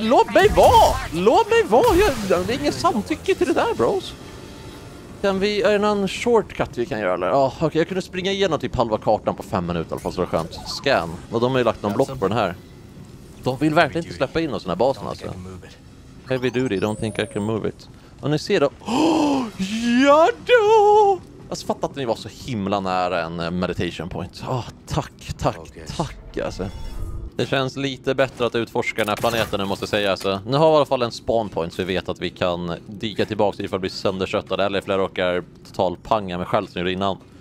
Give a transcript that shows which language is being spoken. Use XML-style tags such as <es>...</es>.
<sv>Låt mig vara. Det är ingen samtycke till det där, bros. Kan vi... Är det någon shortcut vi kan göra, eller? Okej, jag kunde springa igenom typ halva kartan på 5 minuter i alla fall, så det var skönt. Scan. Och de har ju lagt någon block på den här. De vill verkligen inte släppa in oss i den här basen, alltså.</sv> <en>Heavy duty, don't think I can move it.</en> <sv>Och ni ser då... Jadå! Alltså, fattar att ni var så himla nära en meditation point. Tack, alltså. Det känns lite bättre att utforska den här planeten nu, måste jag säga. Alltså, nu har vi i alla fall en spawn point så vi vet att vi kan dyka tillbaka ifall vi blir sönderköttade eller ifall jag råkar totalt panga med själv som gjorde innan.</sv>